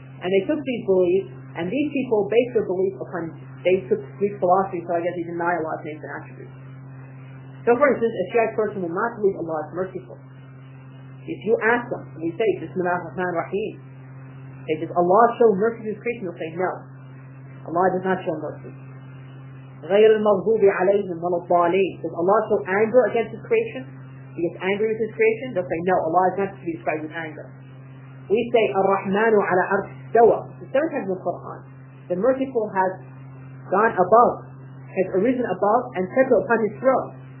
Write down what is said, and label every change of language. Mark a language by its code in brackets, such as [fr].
[en] And they took these beliefs, and these people based their beliefs upon, they took Greek philosophy, so I guess they deny Allah's names and attributes. So for instance, a Shiite person will not believe Allah is merciful. If you ask them, and you say, Bismillah ar-Rahman ar-Rahim, they say, does Allah show mercy to His creation? They'll say, no. Allah does not show mercy. [ar] غير المغضوب عليهم ولا الضالين. [en] Does Allah show anger against His creation? He gets angry with His creation? They'll say, no. Allah is not to be described with anger. We say, [ar] ar-Rahmanu ala arsh istawa. [en] The seven times in the Quran, the merciful has gone above, has arisen above, and settled upon His throne.